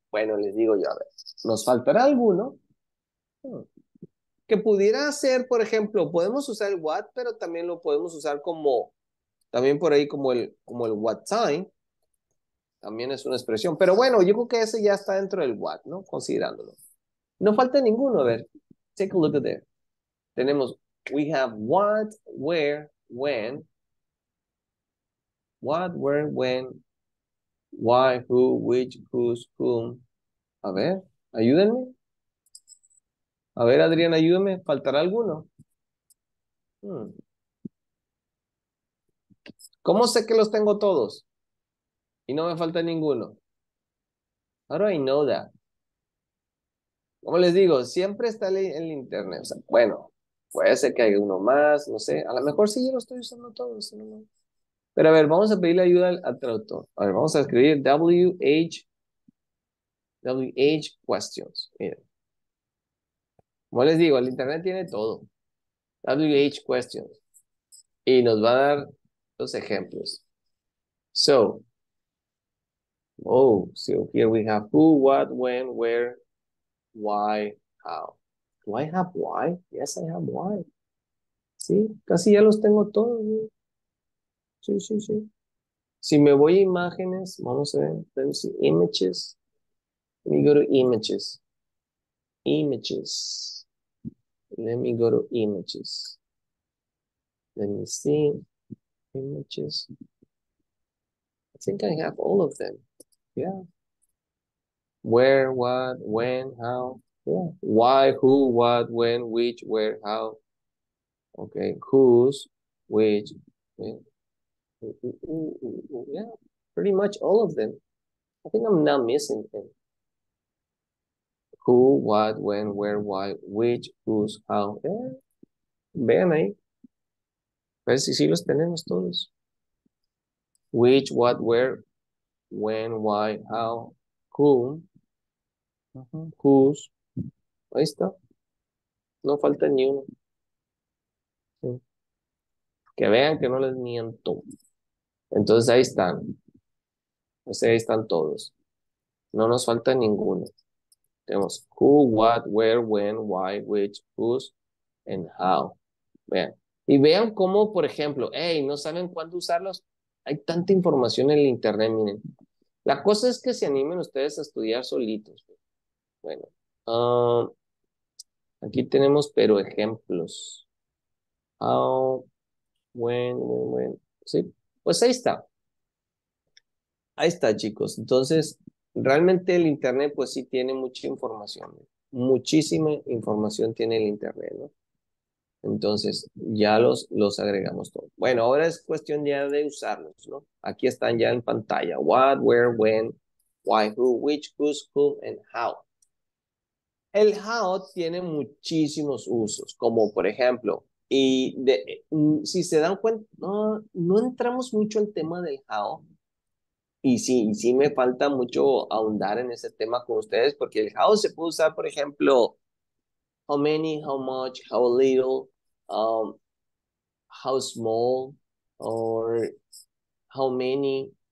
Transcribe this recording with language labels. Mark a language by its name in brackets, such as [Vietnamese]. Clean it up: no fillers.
[Spanish] Bueno, les digo yo, a ver, ¿nos faltará alguno? Que pudiera ser, por ejemplo, podemos usar el what, pero también lo podemos usar como, también por ahí como el what time. También es una expresión. Pero bueno, yo creo que ese ya está dentro del what, ¿no? Considerándolo. No falta ninguno. A ver, [English] take a look at there. [Spanish] Tenemos, [English] we have what, where, when. What, where, when. Why, who, which, whose, whom. [Spanish] A ver, ayúdenme. A ver, Adrián, ayúdame. ¿Faltará alguno? ¿Cómo sé que los tengo todos? Y no me falta ninguno. [English] How do I know that? [Spanish] Como les digo, siempre está el internet. O sea, bueno, puede ser que haya uno más, no sé. A lo mejor sí, yo lo estoy usando todos. No. Pero a ver, vamos a pedirle ayuda al traductor. A ver, vamos a escribir WH questions. Miren. Como les digo, el internet tiene todo. WH questions. Y nos va a dar los ejemplos. [English] So. Oh, so here we have who, what, when, where, why, how. Do I have why? Yes, I have why. [Spanish] Sí, casi ya los tengo todos. Sí, sí, sí. Si me voy a imágenes, vamos a ver. [English] Let me see. Images. Let me go to images. Images. Let me go to images. Let me see. Images. I think I have all of them. Yeah. Where, what, when, how. Yeah. Why, who, what, when, which, where, how. Okay. Whose, which, when. Yeah. Pretty much all of them. I think I'm not missing them. Who, what, when, where, why, which, who's, how. [Spanish] Vean ahí. Pues si sí los tenemos todos. [English] Which, what, where, when, why, how, who, whose. [Spanish] Ahí está. No falta ni uno. Sí. Que vean que no les miento. Entonces ahí están. Pues ahí están todos. No nos falta ninguno. Tenemos who, what, where, when, why, which, whose, and how. Vean. Y vean cómo, por ejemplo, hey, no saben cuándo usarlos. Hay tanta información en el internet, miren. La cosa es que se animen ustedes a estudiar solitos. Bueno, aquí tenemos, pero ejemplos. Bueno. Sí, pues ahí está. Ahí está, chicos. Entonces, realmente el internet, pues sí tiene mucha información, ¿no? Muchísima información tiene el internet, ¿no? Entonces, ya los agregamos todos. Bueno, ahora es cuestión ya de usarlos, ¿no? Aquí están ya en pantalla. [English] What, where, when, why, who, which, whose, whom, and how. [Spanish] El how tiene muchísimos usos, como por ejemplo, si se dan cuenta, no entramos mucho al tema del how. Y sí me falta mucho ahondar en ese tema con ustedes, porque el how se puede usar, por ejemplo, [English] how many, how much, how little, how small, or how many.